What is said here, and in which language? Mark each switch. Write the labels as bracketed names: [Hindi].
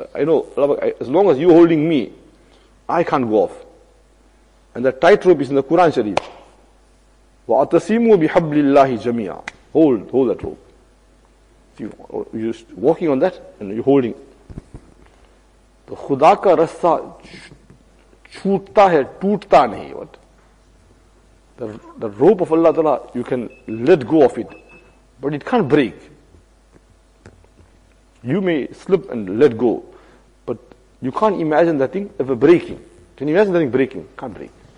[English] I know, Allah, as long as you're holding me, I can't go off. And the tightrope is in the Quran Sharif. [Arabic] وَأَتَسِيمُوا بِحَبْلِ اللَّهِ جَمِيعًا. [English] Hold that rope. You're just walking on that and you're holding. [Urdu] تو خدا کا رستہ چھوٹتا ہے ٹوٹتا نہیں. [English] What? The rope of Allah Ta'ala, you can let go of it. But it can't break. You may slip and let go. But you can't imagine that thing ever breaking. Can you imagine that thing breaking? Can't break.